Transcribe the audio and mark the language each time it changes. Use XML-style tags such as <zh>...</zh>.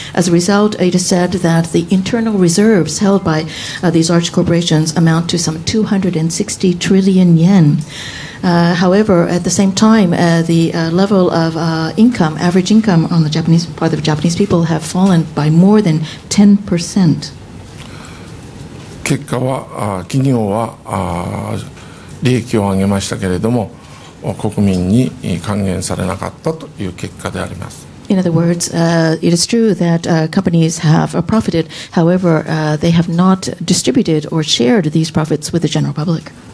<en>As a result, it is said that the internal reserves held by these large corporations amount to some 260 trillion yen. However, at the same time, the level of income, average income on the Japanese part of Japanese people have fallen by more than 10%.</en> <ja>結果は企業は利益を上げましたけれども国民に還元されなかったという結果であります。</ja> <en>In other words, it is true that companies have profited. However, they have not distributed or shared these profits with the general public.</en>